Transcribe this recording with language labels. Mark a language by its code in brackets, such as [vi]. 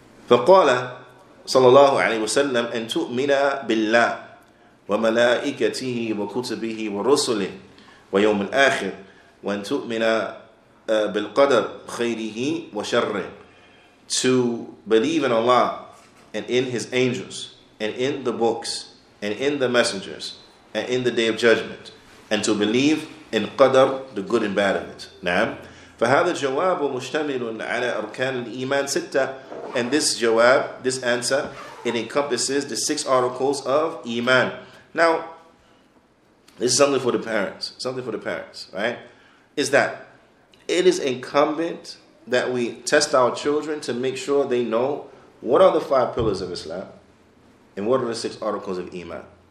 [ar] فَقَالَ صلى الله عليه وسلم أن تؤمن بالله وملائكته وكتبه ورسله ويوم الآخر وأن تؤمن بالقدر خيره وشره. [en] To believe in Allah and in His angels and in the books and in the messengers and in the day of judgment, and to believe in qadr, the good and bad of it. [ar] نعم. فهذا الجواب مشتمل على أركان الإيمان ستة. [en] And this jawab, this answer, it encompasses the six articles of Iman. Now, this is something for the parents. Something for the parents, right? Is that it is incumbent that we test our children to make sure they know what are the five pillars of Islam and what are the six articles of Iman.